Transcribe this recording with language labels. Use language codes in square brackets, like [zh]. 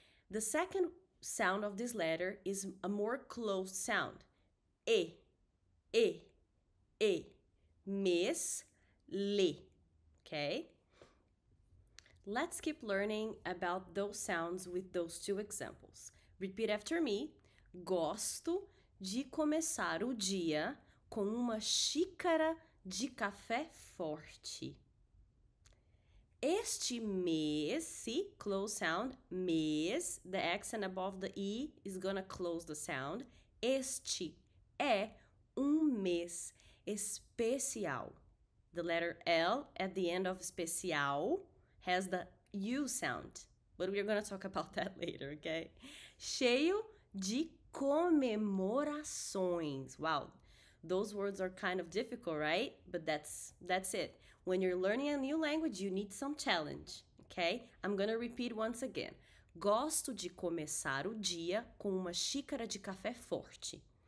[en] The second sound of this letter is a more closed sound. E, E, E. Miss, le, okay? Let's keep learning about those sounds with those 2 examples. Repeat after me. [pt] Gosto de começar o dia com uma xícara de café forte. Este mês, [en] see, close sound, mês, the accent above the E is gonna close the sound. [pt] Este é mês especial. [en] The letter L at the end of especial has the U sound. But we're going to talk about that later, okay? [pt] Cheio de comemorações. [en] Wow, those words are kind of difficult, right? But that's it. When you're learning a new language, you need some challenge, okay? I'm going to repeat once again. [pt] Gosto de começar o dia com uma xícara de café forte.